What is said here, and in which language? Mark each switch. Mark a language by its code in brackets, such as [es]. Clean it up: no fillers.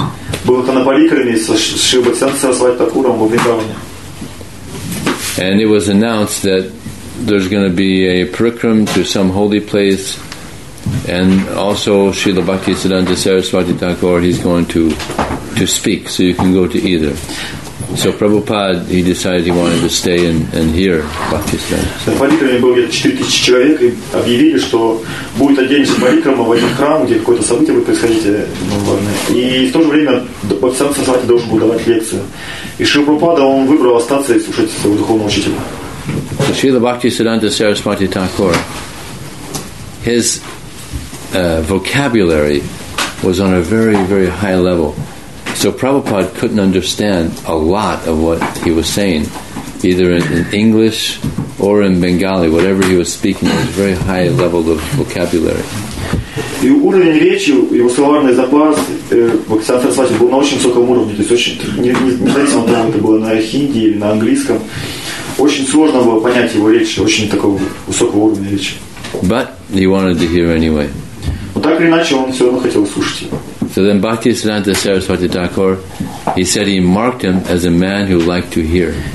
[en] And it was announced that there's going to be a parikram to some holy place, and also Srila Bhakti Siddhanta Saraswati Thakur, he's going to speak, so you can go to either. So Prabhupada, he decided he wanted to stay and hear Bhakti Siddhanta. [ru] На парикраме было где-то 4000 человек, и объявили, что будет отдельный парикрам в один храм, где какое-то событие будет происходить. И в то же время Бхакти Сиддханта Сарасвати должен был давать лекцию. И Шрила Прабхупада, он выбрал остаться и слушать своего духовного учителя. [en] So Шрила Бхакти Сиддханта Сарасвати Такур, his vocabulary was on a very, very high level. So Prabhupada couldn't understand a lot of what he was saying, either in English or in Bengali. Whatever he was speaking was a very high level of vocabulary. [ru] И уровень речи, его словарный запас, Бхактисиддханта Сарасвати был на очень высоком уровне. То есть очень независимо от того, это было на хинди или на английском, очень сложно было понять его речь, очень такого высокого уровня речи. [en] But he wanted to hear anyway. [ru] Но так или иначе, он все равно хотел услышать его. [en] So then Bhaktisiddhanta Saraswati Thakur, he said he marked him as a man who liked to hear.